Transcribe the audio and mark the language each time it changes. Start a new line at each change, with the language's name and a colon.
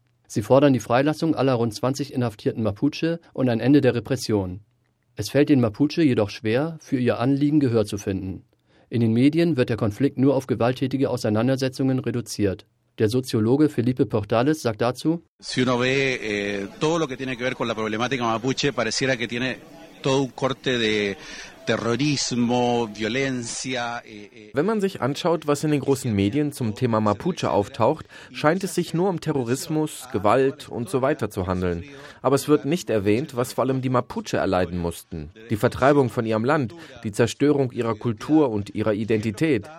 German: Sie fordern die Freilassung aller rund 20 inhaftierten Mapuche und ein Ende der Repression. Es fällt den Mapuche jedoch schwer, für ihr Anliegen Gehör zu finden. In den Medien wird der Konflikt nur auf gewalttätige Auseinandersetzungen reduziert. Der Soziologe Felipe Portales sagt dazu:
Spanish: Si uno ve todo lo que tiene que ver con la problemática mapuche, pareciera que tiene todo un corte de terrorismo, violencia.
German: Wenn man sich anschaut, was in den großen Medien zum Thema Mapuche auftaucht, scheint es sich nur um Terrorismus, Gewalt und so weiter zu handeln. Aber es wird nicht erwähnt, was vor allem die Mapuche erleiden mussten. Die Vertreibung von ihrem Land, die Zerstörung ihrer Kultur und ihrer Identität.